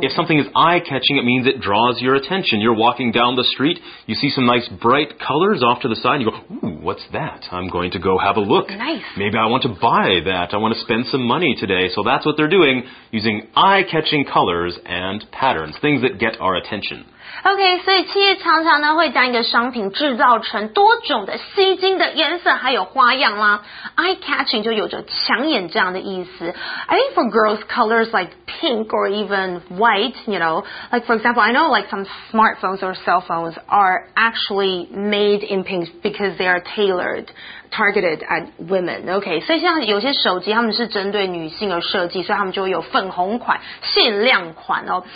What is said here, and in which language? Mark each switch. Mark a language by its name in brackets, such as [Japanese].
[English] If something is eye-catching, it means it draws your attention. You're walking down the street, you see some nice bright colors off to the side, and you go, ooh, what's that? I'm going to go have a look. Nice. Maybe I want to buy that. I want to spend some money today. So that's what they're doing, using eye-catching colors and patterns, things that get our attention. [Chinese] OK, 所以企业常常呢会将一个商品制造成多种的吸睛的颜色还有花样啦。 Eye-catching 就有着抢眼这样的意思。 [English] I think for girls, colors like pink or even white, you know, like for example, I know like some smartphones or cell phones are actually made in pink because they are tailored. Targeted at women, okay. [Chinese] 所以像有些手机，他们是针对女性而设计，所以他们就会有粉红款、限量款哦。